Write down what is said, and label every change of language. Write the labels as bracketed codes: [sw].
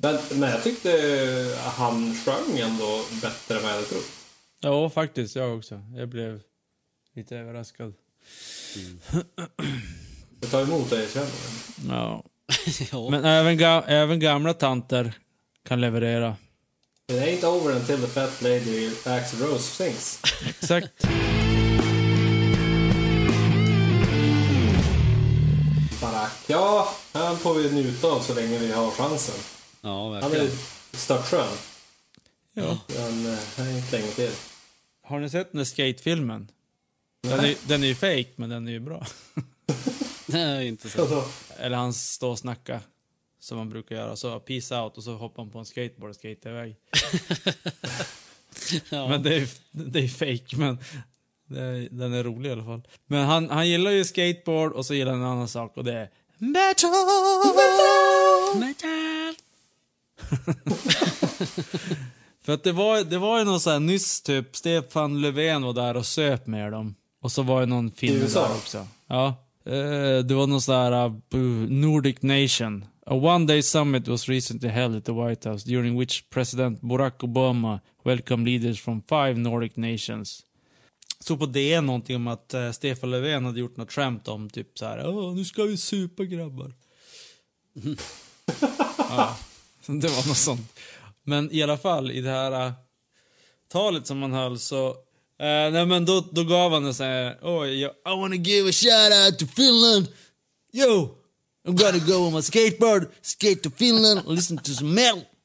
[sv] Men jag tyckte han sjöng ändå bättre än vad jag trodde. Ja, faktiskt, jag också. Jag blev lite överraskad. Mm. Jag tar emot dig, känner jag. Ja. Men även gamla tanter kan leverera. [en] It ain't over until the fat lady Axl Rose sings. [sv] Exakt. Barack, ja, han får vi njuta av så länge vi har chansen. Ja, verkligen. Han är stört skön. Ja. Men han är inte länge till. Har ni sett den där skatefilmen? Den är ju fake, men den är ju bra. Nej, inte så. Eller han står och snackar som man brukar göra. Så [en] peace out [sv] och så hoppar han på en skateboard och skater iväg. Ja. Men det är fake, men den är rolig i alla fall. Men han gillar ju skateboard och så gillar han en annan sak och det är [en] Metal! [sv] För att det var ju någon så här nyss typ Stefan Löfven var där och söp med dem. Och så var det någon finne där också. Ja. Det var någon så här Nordic Nation. [en] A one day summit was recently held at the White House during which president Barack Obama welcomed leaders from 5 Nordic nations. [sv] Så på det är någonting om att Stefan Löfven hade gjort något skämt om typ så här, nu ska vi supa grabbar. Ja. Det var något sånt. Men i alla fall, i det här talet som man höll så... nej, men då gav han det så här... [en] I wanna give a shout out to Finland! Yo! I'm gonna go on my skateboard, skate to Finland, listen to some metal!